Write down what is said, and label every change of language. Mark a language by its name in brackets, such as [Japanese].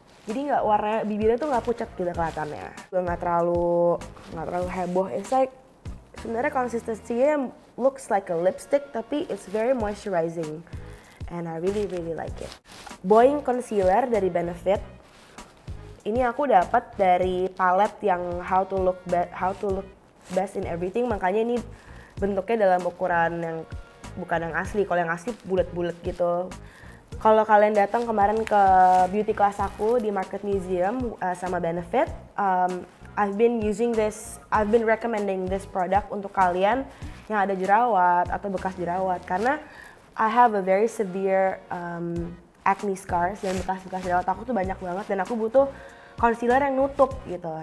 [Indonesian] Jadi nggak warnanya, bibirnya tuh nggak pucat gitu kelihatannya. Gue nggak terlalu heboh. [English] It's like [Indonesian] sebenarnya konsistensinya [English] looks like a lipstick, tapi it's very moisturizing. And I really really like it. Boing concealer dari Benefit. [Indonesian] Ini aku dapat dari palet yang how to look best in everything. Makanya ini bentuknya dalam ukuran yang bukan yang asli. Kalau yang asli bulat-bulat gitu. Kalau kalian datang kemarin ke beauty class aku di Market Museum sama Benefit, [English] I've been recommending this product [Indonesian] untuk kalian yang ada jerawat atau bekas jerawat, karena [English] I have a very severe acne scars [Indonesian] dan bekas-bekas jerawat aku tuh banyak banget dan aku butuh concealer yang nutup gitu.